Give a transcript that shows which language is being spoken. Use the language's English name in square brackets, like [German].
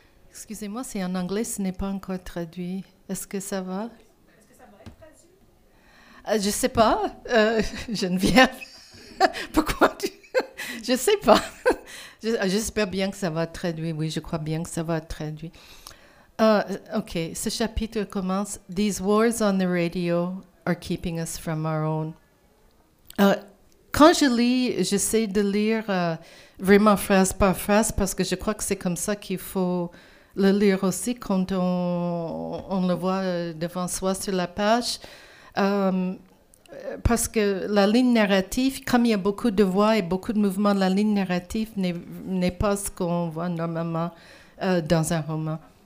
[French] Excusez-moi, c'est en anglais, ce n'est pas encore traduit. Est-ce que ça va? Je ne sais pas. Geneviève, pourquoi tu... Je ne sais pas. J'espère bien que ça va être traduit. Oui, je crois bien que ça va être traduit. OK, ce chapitre commence. [English] « These wars on the radio are keeping us from our own. [French] » Quand je lis, j'essaie de lire vraiment phrase par phrase parce que je crois que c'est comme ça qu'il faut le lire aussi quand on le voit devant soi sur la page. Parce que la ligne narrative, comme il y a beaucoup de voix et beaucoup de mouvements, la ligne narrative n'est pas ce qu'on voit normalement dans un roman.